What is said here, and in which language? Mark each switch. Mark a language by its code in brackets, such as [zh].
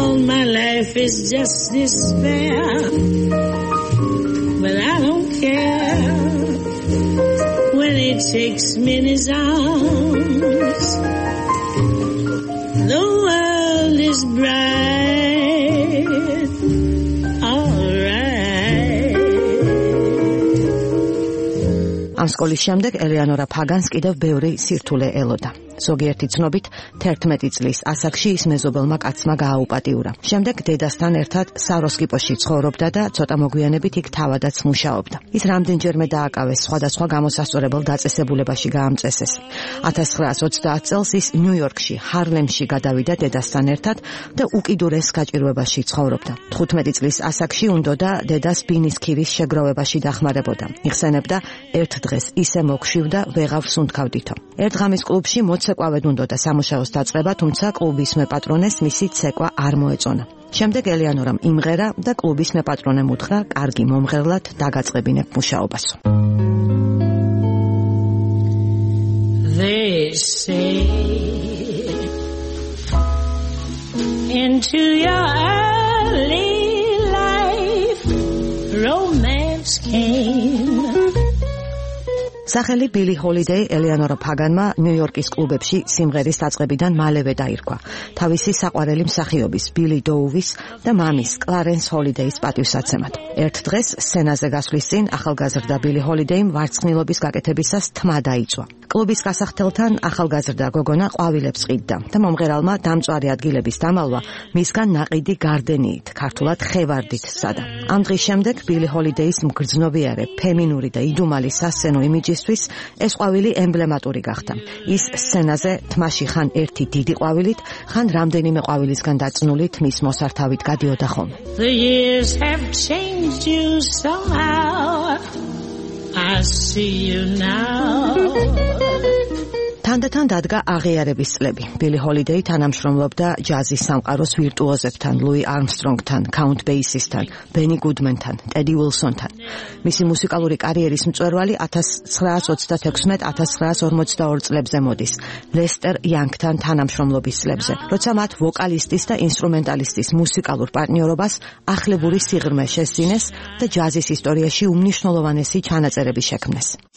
[en] My life is just despair, but I don't care when he takes me in his arms. The world is bright, all right. [ka] ამ სკოლის შემდეგ ელეანორა ფაგანს კიდევ ბევრი სირთულე ელოდა. ზოგიერთი ცნობით 11 წლის ასაკში ის მეზობელმა კაცმა გააუპატიურა. შემდეგ დედასთან ერთად საროსკიპოში ცხოვრობდა და ცოტა მოგვიანებით იქ თავადაც მუშაობდა. ის რამდენჯერმე დააკავეს სხვადასხვა გამოსასწორებელ დაწესებულებაში გაამწესეს. 1930 წელს ის ნიუ-იორკში, ჰარლემში გადავიდა დედასთან ერთად და უკიდურეს გაჭირვებაში ცხოვრობდა. 15 წლის ასაკში უნდოდა დედას ბინისქირის შეგროვებაში დახმარებოდა. იხსენებდა: ერთ დღეს ისე მოხშივდა, ვეღარ ვსუნთქავდითო. ერთ ღამის კლუბში მოცეკვავედ უნდოდა სამუშაოს დაწყება, თუმცა კლუბის მეპატრონეს მისი ცეკვა არ მოეწონა. შემდეგ ელეანორამ იმღერა და კლუბის მეპატრონემ უთხრა, კარგი მომღერლად დაგაწყებინებ მუშაობას. [en] They say into your early life romance came. [ka] სახელი ბილი ჰოლიდეი ელეანორა ფაგანმა ნიუ-იორკის კლუბებში სიმღერის დაწყებიდან მალევე დაირქვა თავისი საყვარელი მსახიობის ბილი დოუვის და მამის კლარენს ჰოლიდეის პატივსაცემად. ერთ დღეს სცენაზე გასვლის წინ ახალგაზრდა ბილი ჰოლიდეიმ ვარცხნილობის გაკეთებისას თმა დაიწვა. კლუბის გასახლთელთან ახალგაზრდა გოგონა ყვავილებს ყიდდა და მომღერალმა დამწვარი ადგილების დამალვა მისგან ნაყიდი გარდენიით, ქართულად ხევარდით სადა. ამ დღის შემდეგ ბილი ჰოლიდეის მგრძნობიარე, ფემინური და იდუმალი სასცენო იმიჯისთვის ეს ყვავილი ემბლემატური გახდა. ის სცენაზე თმაში ხან ერთი დიდი ყვავილით, ხან რამდენიმე ყვავილისგან დაწნული თმის მოსართავით გადიოდა ხოლმე. [en] The years have changed you somehow. I see you now. [ka] თანდათან დადგა აღიარების წლები. ბილი ჰოლიდეი თანამშრომლობდა ჯაზის სამყაროს ვირტუოზებთან, ლუი არმსტრონგთან, კაუნტ ბეისისთან, ბენი გუდმენთან, ტედი უილსონთან. მისი მუსიკალური კარიერის მწვერვალი 1926-1942 წლებზე მოდის, ლესტერ იანგთან თანამშრომლობის წლებზე, როცა მათ ვოკალისტის და ინსტრუმენტალისტის მუსიკალურ პარტნიორობას ახლებური სიღრმე შესძინეს და ჯაზის ისტორიაში უმნიშვნელოვანესი ჩანაწერები შექმნეს.